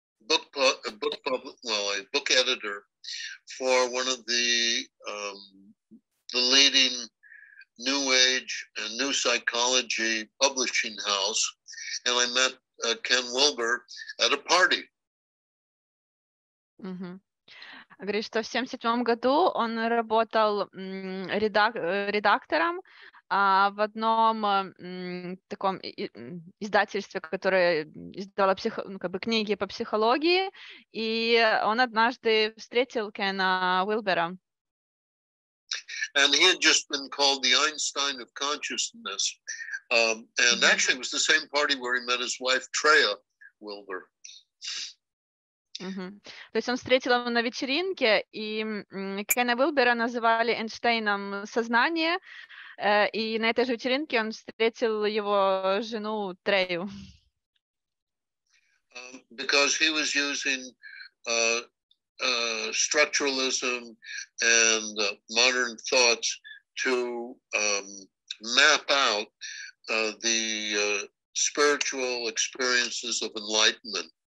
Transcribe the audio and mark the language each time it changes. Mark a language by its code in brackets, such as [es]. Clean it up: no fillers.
[en] I was a book editor for one of the leading New Age and New Psychology publishing house, and I met Ken Wilber at a party. Mm-hmm. [ru] Говорит, что в 77 году он работал редактором в одном таком издательстве, которое издавало книги по психологии, и он однажды встретил Кена Уилбера. [en] And he had just been called the Einstein of consciousness. And actually, it was the same party where he met his wife, Treya Wilber. Mm-hmm. [ru] То есть он встретил его на вечеринке, и Кена Уилбера называли Эйнштейном сознания, и на этой же вечеринке он встретил его жену Трею. [en] Because he was using structuralism and modern thoughts to map out the spiritual experiences of enlightenment.